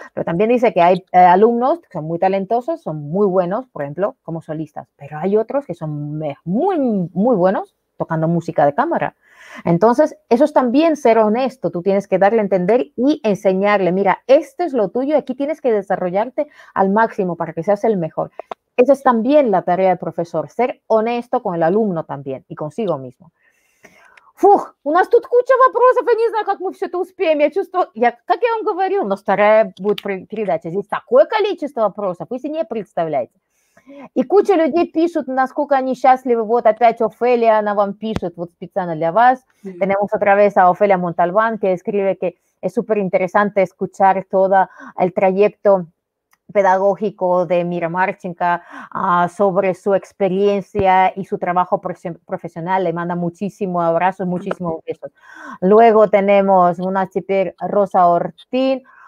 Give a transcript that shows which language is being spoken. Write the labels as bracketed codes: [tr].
[es] Pero también dice que hay alumnos que son muy talentosos, son muy buenos, por ejemplo, como solistas, pero hay otros que son muy, muy buenos tocando música de cámara. Entonces, eso es también ser honesto, tú tienes que darle a entender y enseñarle, mira, esto es lo tuyo, aquí tienes que desarrollarte al máximo para que seas el mejor. Esa es también la tarea del profesor, ser honesto con el alumno también y consigo mismo. [ru] Фух, у нас тут куча вопросов, я не знаю, как мы все это успеем. Я чувствую, я, как я вам говорила, у нас вторая будет передача. Здесь такое количество вопросов, вы себе не представляете. И куча людей пишут, насколько они счастливы. Вот опять Офелия, она вам пишет, вот специально для вас. [es] Tenemos otra vez a Ofelia Montalbán, que escribe que es súper interesante escuchar todo el trayecto pedagógico de Mira Marchenka sobre su experiencia y su trabajo profesional. Le manda muchísimos abrazos, muchísimos besos. Luego tenemos una [ru] теперь [es] Rosa Ortiz.